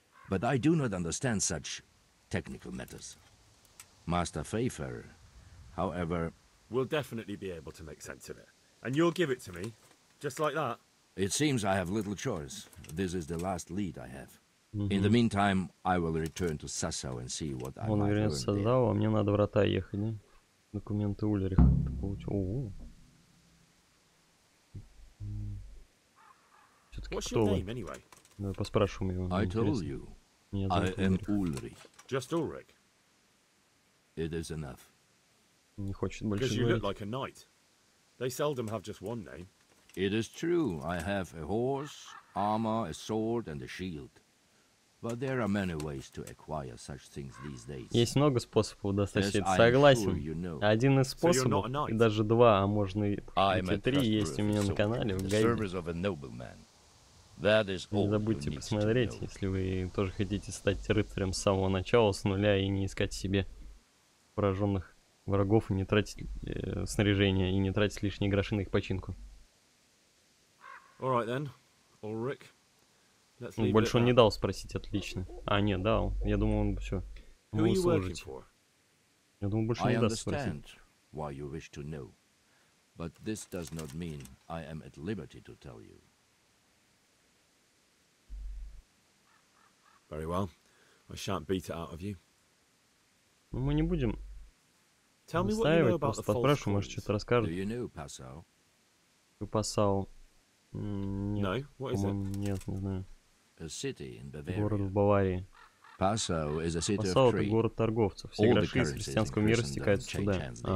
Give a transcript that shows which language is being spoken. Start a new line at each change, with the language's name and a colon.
English: But I do not understand such technical matters. Master Fafer, however... We'll definitely be able to make sense of it. And you'll give it to me, just like that. It seems I have little choice. This is the last lead I have. Mm-hmm. In the meantime, I will return to Sasau and see what I might learn there.
Russian: Сазаву, а мне надо врата ехать, не? Документы Ульриха получил. О-о-о.
English: What's your name, anyway?
Russian: Давай поспрашиваем его.
English: I told you. I am Ulrich. Just Ulrich. It is enough.
Russian: Не хочет больше.
English: Because you look like a knight. They seldom have just one name. It is true. I have a horse, armor, a sword, and a shield. But there are many ways to acquire such things these days.
Russian: Есть много способов достать. Согласен.
English: You know.
Russian: Один из способов, и даже два, а можно и три, есть у меня на канале в гайде.
English: That is all.
Russian: Не забудьте посмотреть, если вы тоже хотите стать рыцарем с самого начала, с нуля, и не искать себе пораженных врагов, и не тратить снаряжение, и не тратить лишние гроши на их починку.
English: All right, then. Ulrich. Let's leave.
Russian: Больше он не дал спросить, отлично. А, нет, дал. Я думал, он все.
English: Who are you working for?
Russian: Я думал, больше не даст спросить.
English: I understand why you wish to know. But this does not mean I am at liberty to tell you. Very well. I shan't beat it out of you.
Russian: Ну, мы не будем.
English: Tell me what you know about the false coins.
Russian: Может, что-то расскажешь.
English: Do you know Passau? Passau. No, what is it?
Russian: Нет, не знаю.
English: A city in Bavaria.
Russian: Город в Баварии. Пасо — это город торговцев. Все гроши из христианского мира стекают сюда.